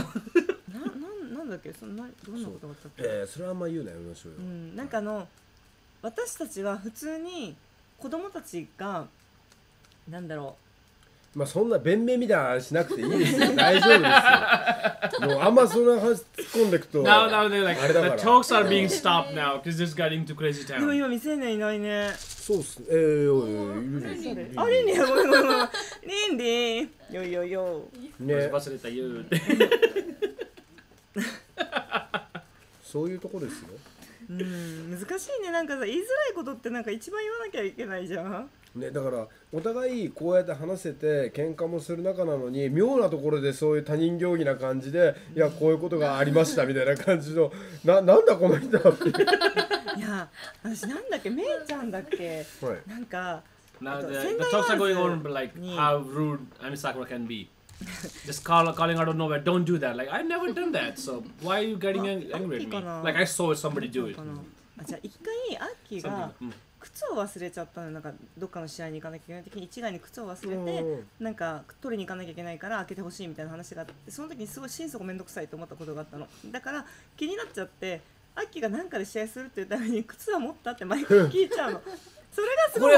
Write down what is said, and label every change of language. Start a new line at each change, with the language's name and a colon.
Japanese: なんだっけ、そんなどんなことがあったっけ。それはあんま言うなよ、面白いよ、うん、なんかあの私たちは普通に子供たちがなんだろう、まあそんな弁明みたいな話しなくていいですよ大丈夫ですよ、もうあんまそんな話突っ込んでくとあれだから
English: The talks are being stopped now because this got into crazy town。
Japanese: でも今未成年いないね。そうっすね、いるでしょ、あれにゃ、ごめんごめん、リンリン、よいよいよ、ね、忘れた言うてそういうとこですよ。うん、難しいね、なんかさ言いづらいことってなんか一番言わなきゃいけないじゃん。ね、だからお互いこうやって話せて喧嘩もする仲なのに、妙なところでそういう他人行儀な感じで、いやこういうことがありましたみたいな感じのなんだこの人だっていや私なんだっけ、めいちゃんだっけ、はい、なんか
English: the talks are going on but like how rude Ami Sakura can be just calling out of nowhere, don't do that, like I've never done that, so why are you getting angry at me, like I saw somebody do it。
Japanese: あ、じゃあ一回アッキーが靴を忘れちゃったの、なんかどっかの試合に行かなきゃいけない時に一概に靴を忘れて、なんか取りに行かなきゃいけないから開けてほしいみたいな話があって、その時にすごい心底めんどくさいと思ったことがあったの。だから気になっちゃってアッキーが何かで試合するっていうために靴は持ったって毎回聞いちゃうのそれがすごい、